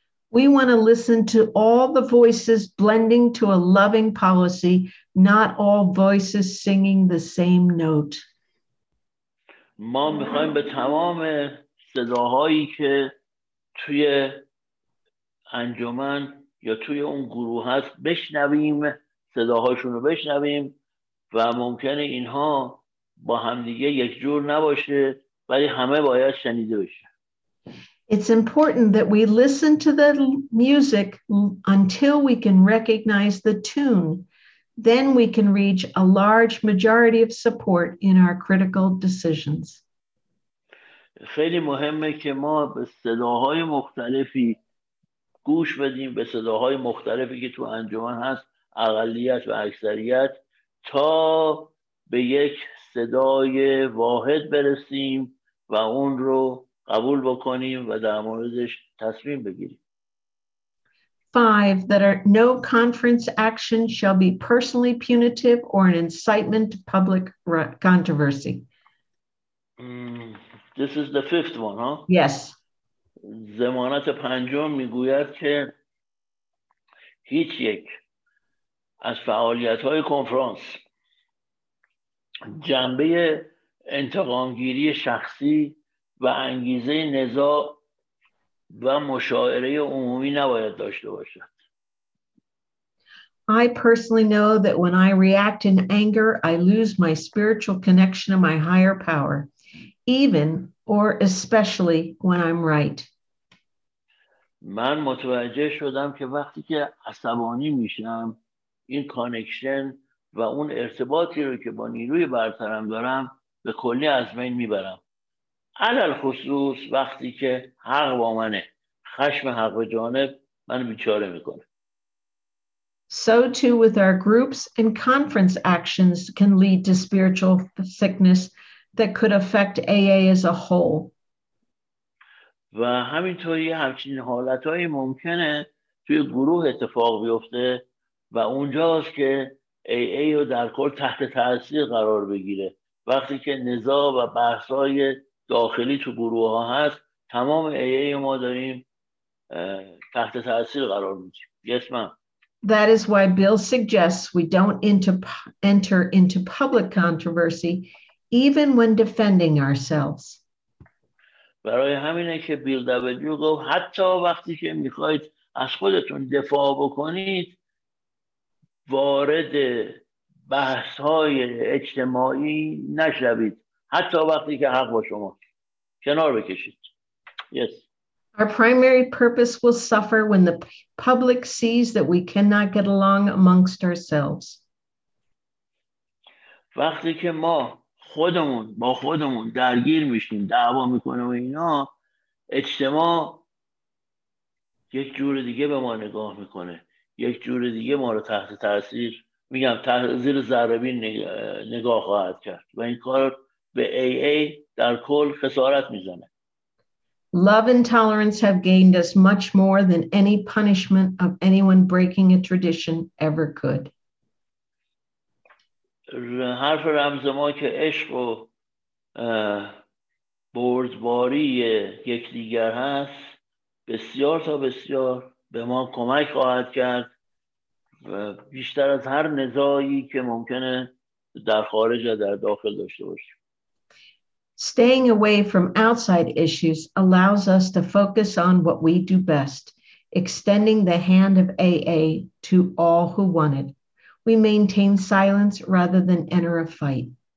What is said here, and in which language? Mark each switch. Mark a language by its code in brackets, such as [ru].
[en] We want to listen to all the voices blending to a loving policy, not all voices singing the same note. [fa] ما می‌خوایم به تمام صداهایی که توی انجمن یا توی اون گروه هست بشنویم، صداهاشون رو بشنویم و ممکنه اینها با همدیگه یک جور نباشه ولی همه باید شنیده بشه. [en] It's important that we listen to the music until we can recognize the tune. Then we can reach a large majority of support in our critical decisions. [fa] خیلی مهمه که ما به صداهای مختلفی گوش بدیم، به صداهای مختلفی که تو انجمن هست، اقلیت و اکثریت، تا به یک صدای واحد برسیم و اون رو قبول بکنیم و در موردش تصمیم بگیریم. [en] 5. That our no conference action shall be personally punitive or an incitement to public controversy. This is the fifth one, huh? Yes. [fa] ضمانت پنجم میگوید که هیچ یک از فعالیت‌های کنفرانس جنبه انتقام‌گیری شخصی و انگیزه نزاع و مشاوره عمومی نباید داشته باشد. [en] I personally know that when I react in anger, I lose my spiritual connection to my higher power, even or especially when I'm right. [fa] من متوجه شدم که وقتی که عصبانی میشم، این کانکشن و اون ارتباطی رو که با نیروی برترم دارم به کلی از بین میبرم. علل خصوص وقتی که حق با منه، خشم حق به جانب من بیچاره میکنه. [en] So too with our groups and conference actions can lead to spiritual sickness that could affect AA as a whole. [fa] و همینطوری همچین حالتهایی ممکنه توی گروه اتفاق بیفته و اونجاست که AA رو در کل تحت تأثیر قرار بگیره. وقتی که نزاع و بحثای داخلی تو گروه ها هست، تمام AA ما داریم تحت تأثیر قرار میدیم. [en] Yes, ma'am. That is why Bill suggests we don't enter into public controversy even when defending ourselves. [fa] برای همینه که بیل دبلیو گفت حتی وقتی که میخواید از خودتون دفاع بکنید، وارد بحث های اجتماعی نشوید، حتی وقتی که حق با شما، کنار بکشید. [en] Yes. Our primary purpose will suffer when the public sees that we cannot get along amongst ourselves. [fa] وقتی که ما خودمون با خودمون درگیر میشیم، دعوا میکنیم و اینا، اجتماع یک جور دیگه به ما نگاه میکنه، یک جور دیگه ما رو تحت تاثیر، میگم تحت زیر ذره‌بین نگاه خواهد کرد و این کار به AA در کل خسارت میزنه. [en] Love and tolerance have gained us much more than any punishment of anyone breaking a tradition ever could. [fa] حرف رمز ما که عشق و بردباری یک دیگر هست، بسیار تا بسیار به ما کمک خواهد کرد و بیشتر از هر نزایی که ممکنه در خارج و در داخل داشته باشیم. [en] Staying away from outside issues allows us to focus on what we do best, extending the hand of AA to all who want it. We maintain silence rather than enter a fight.